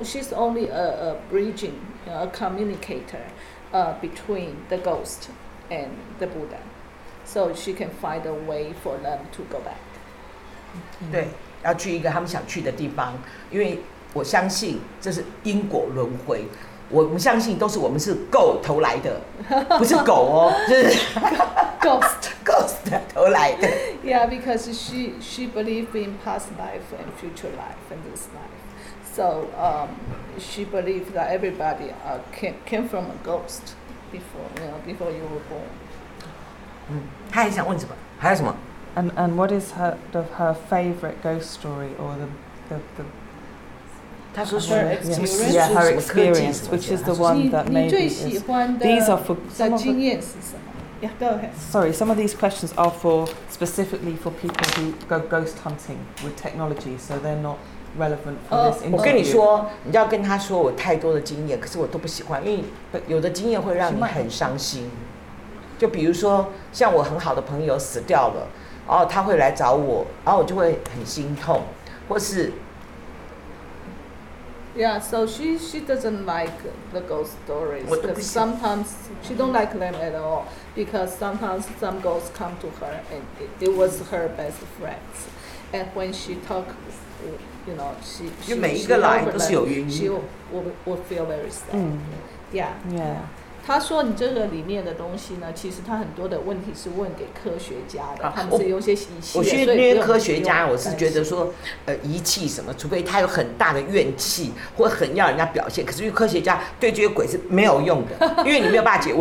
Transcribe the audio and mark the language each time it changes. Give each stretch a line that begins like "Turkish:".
English: She's only a bridging, you know, a communicator, between the ghost and the Buddha, so she can find a way for them to go back.
Chinese: 对，要去一个他们想去的地方，因为我相信这是因果轮回。我们相信都是我们是狗投来的，不是狗哦，是
English: ghost
Chinese: 投来的。
English: Yeah, because she believes in past life and future life and this life, so she believes that everybody came from a ghost before you were born.
Chinese: 嗯，他还想问什么？还有什么
English: ？And what is her favorite ghost story or the Her experience, which is the one that maybe is, these are for some of the, yeah, go ahead. Sorry, some of these questions are for specifically for people who go ghost hunting with technology, so they're not relevant for this interview.
Chinese: 我跟你说，你要跟他说我太多的经验，可是我都不喜欢，因为有的经验会让你很伤心。就比如说，像我很好的朋友死掉了，然后他会来找我，然后我就会很心痛，或是。
English: Yeah, so she doesn't like the ghost stories. Sometimes she don't like them at all, because sometimes some ghosts come to her and it was her best friends. And when she talk, you know, she will feel very sad. Mm. Yeah.
Chinese: 她说你这个里面的东西呢，其实她很多的问题是问给科学家的，他们是用些仪器。我去那些科学家，我是觉得说，仪器什么，除非他有很大的怨气，或很要人家表现。可是，科学家对这些鬼是没有用的，因为你没有办法解。